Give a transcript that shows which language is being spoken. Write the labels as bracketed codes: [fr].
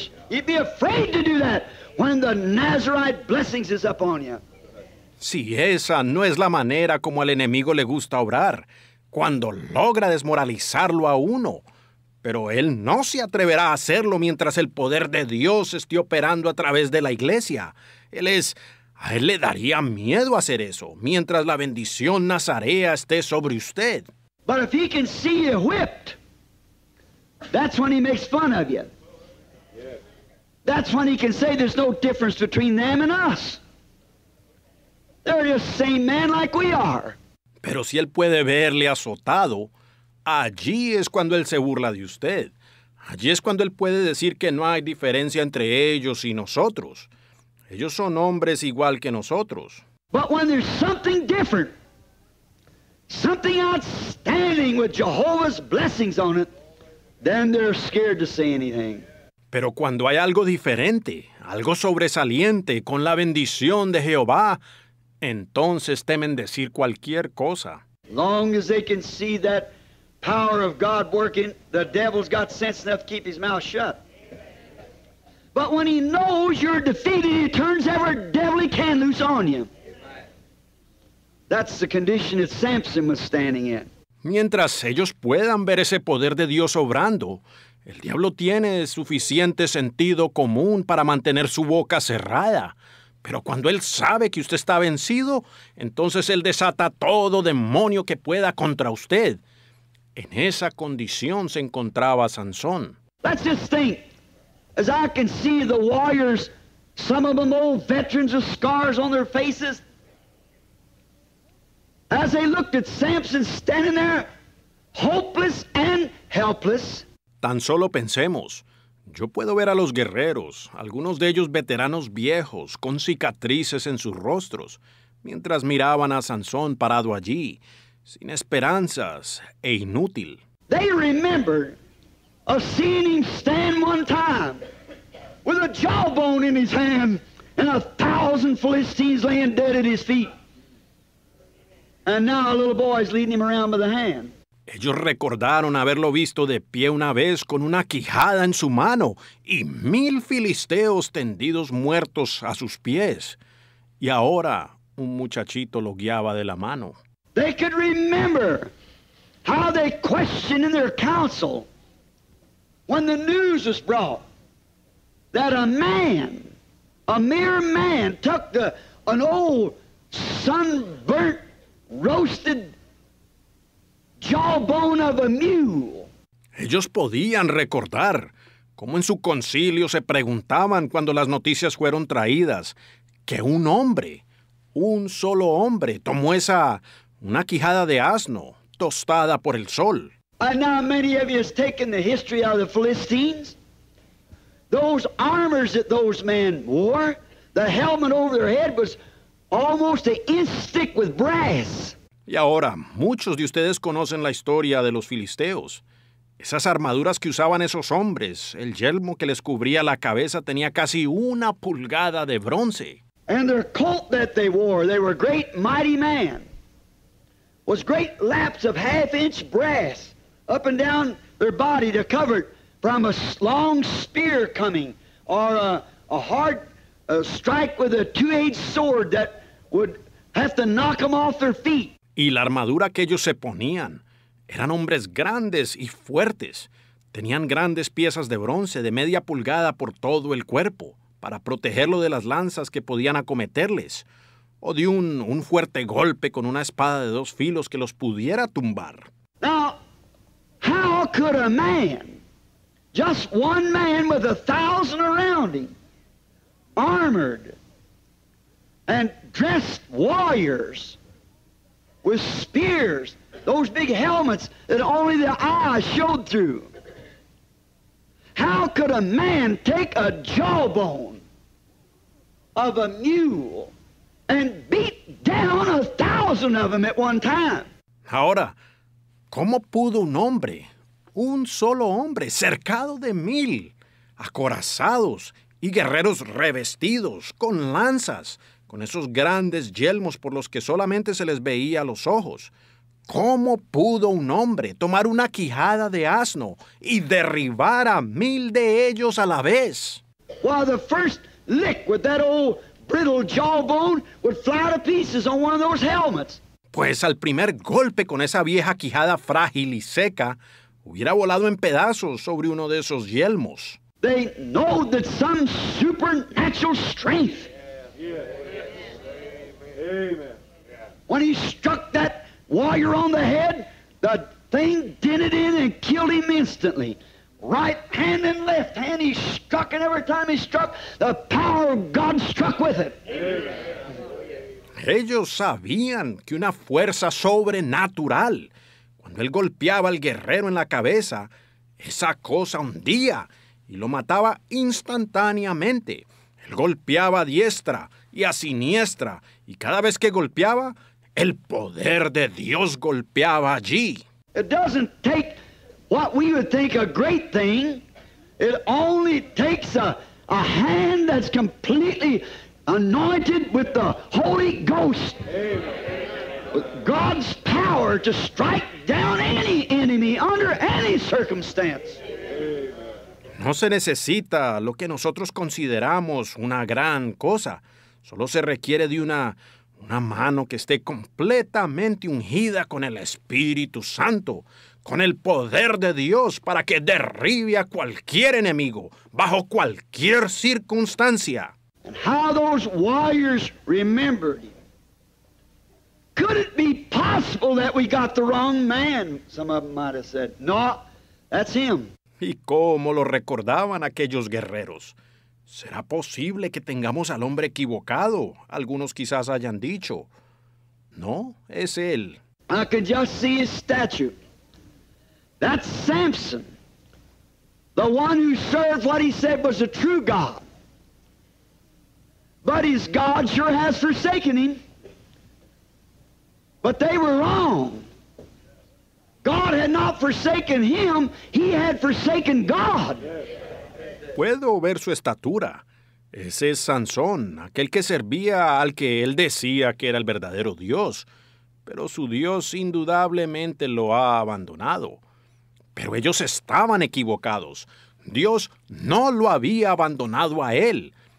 [en] He'd be afraid to do that when the Nazarite blessings is upon you. [es] Si esa no es la manera como al enemigo le gusta obrar, cuando logra desmoralizarlo a uno, pero él no se atreverá a hacerlo mientras el poder de Dios esté operando a través de la iglesia. A él le daría miedo hacer eso mientras la bendición nazarea esté sobre usted. [en] But if he can see you whipped, that's when he makes fun of you. That's when he can say there's no difference between them and us. They're just same men like we are. [es] Pero si él puede verle azotado, allí es cuando él se burla de usted. Allí es cuando él puede decir que no hay diferencia entre ellos y nosotros. Ellos son hombres igual que nosotros. [en] But when there's something different, something outstanding with Jehovah's blessings on it, then they're scared to say anything. [es] Pero cuando hay algo diferente, algo sobresaliente con la bendición de Jehová, entonces temen decir cualquier cosa. [en] Long as they can see that power of God working, the devil's got sense enough to keep his mouth shut. But when he knows you're defeated, he turns every devil he can loose on you. That's the condition that Samson was standing in. [es] Mientras ellos puedan ver ese poder de Dios obrando, el diablo tiene suficiente sentido común para mantener su boca cerrada. Pero cuando él sabe que usted está vencido, entonces él desata todo demonio que pueda contra usted. En esa condición se encontraba Sansón. [en] Let's just think. As I can see the warriors, some of them old veterans with scars on their faces, as they looked at Samson standing there, hopeless and helpless. [es] Tan solo pensemos, yo puedo ver a los guerreros, algunos de ellos veteranos viejos, con cicatrices en sus rostros, mientras miraban a Sansón parado allí, sin esperanzas e inútil. [en] They remembered of seeing him stand one time with a jawbone in his hand and 1,000 Philistines laying dead at his feet. And now a little boy's leading him around by the hand. [es] Ellos recordaron haberlo visto de pie una vez con una quijada en su mano y 1,000 filisteos tendidos muertos a sus pies. Y ahora un muchachito lo guiaba de la mano. [en] They could remember how they questioned in their council when the news was brought that a man, a mere man, took an old sunburnt, roasted jawbone of a mule. [es] Ellos podían recordar cómo en su concilio se preguntaban cuando las noticias fueron traídas que un hombre, un solo hombre, tomó una quijada de asno tostada por el sol. [en] And now many of you have taken the history of the Philistines. Those armors that those men wore, the helmet over their head was almost an inch thick with brass. [es] Y ahora, muchos de ustedes conocen la historia de los filisteos. Esas armaduras que usaban esos hombres, el yelmo que les cubría la cabeza tenía casi una pulgada de bronce. [en] And their coat that they wore, they were great mighty men, was great laps of half inch brass up and down their body to cover it from a long spear coming or a hard strike with a two-edged sword that would have to knock them off their feet. [es] Y la armadura que ellos se ponían eran hombres grandes y fuertes. Tenían grandes piezas de bronce de media pulgada por todo el cuerpo para protegerlo de las lanzas que podían acometerles o de un fuerte golpe con una espada de dos filos que los pudiera tumbar. [en] Now, how could a man, just one man with 1,000 around him, armored and dressed warriors with spears, those big helmets that only the eye showed through, how could a man take a jawbone of a mule and beat down 1,000 of them at one time? [es] Ahora, ¿cómo pudo un hombre, un solo hombre, cercado de 1,000, acorazados y guerreros revestidos con lanzas, con esos grandes yelmos por los que solamente se les veía los ojos, cómo pudo un hombre tomar una quijada de asno y derribar a 1,000 de ellos a la vez? [en] Well, the first lick with that old brittle jawbone would fly to pieces on one of those helmets. [es] Pues al primer golpe con esa vieja quijada frágil y seca, hubiera volado en pedazos sobre uno de esos yelmos. [en] They know that some supernatural strength. When he struck that warrior on the head, the thing dented in and killed him instantly. Right hand and left hand he struck, and every time he struck, the power of God struck with it. [es] Ellos sabían que una fuerza sobrenatural, cuando él golpeaba al guerrero en la cabeza, esa cosa hundía y lo mataba instantáneamente. Él golpeaba a diestra y a siniestra, y cada vez que golpeaba, el poder de Dios golpeaba allí. [en] It doesn't take what we would think a great thing. It only takes a hand that's completely anointed with the Holy Ghost. With God's power to strike down any enemy under any circumstance. [es] No se necesita lo que nosotros consideramos una gran cosa. Solo se requiere de una mano que esté completamente ungida con el Espíritu Santo, con el poder de Dios, para que derribe a cualquier enemigo, bajo cualquier circunstancia. [en] And how those warriors remembered him. Could it be possible that we got the wrong man? Some of them might have said, no, that's him. [es] ¿Y cómo lo recordaban aquellos guerreros? ¿Será posible que tengamos al hombre equivocado? Algunos quizás hayan dicho. No, es él. [en] I could just see his statue. That's Samson. The one who served what he said was a true God. But his God sure has forsaken him. But they were wrong. God had not forsaken him. He had forsaken God. [es] Puedo ver su estatura. Ese es Sansón, aquel que servía al que él decía que era el verdadero Dios. pero su Dios indudablemente lo ha abandonado. Pero ellos estaban equivocados. Dios no lo había abandonado a él.